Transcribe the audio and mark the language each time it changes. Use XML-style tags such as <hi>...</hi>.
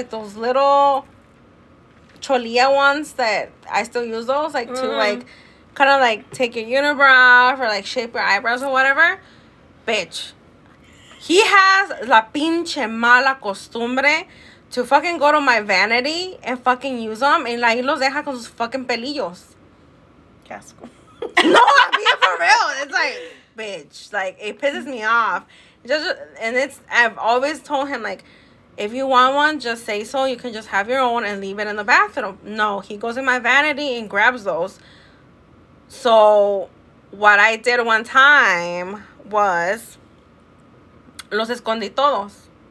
<en>Like, those little Cholilla ones that I still use those. Like, to, like, kind of, like, take your unibrow or, like, shape your eyebrows or whatever. Bitch. He has</en> <es>la pinche mala costumbre</es> <en>to fucking go to my vanity and fucking use them. And, like,</en> <es>los deja con sus fucking pelillos. Qué asco.</es> <en>No, I mean, for real. It's like, bitch, like, it pisses me off. I've always told him, like, if you want one, just say so. You can just have your own and leave it in the bathroom. No, he goes in my vanity and grabs those. So what I did one time was</en> <es>los escondí todos.</es>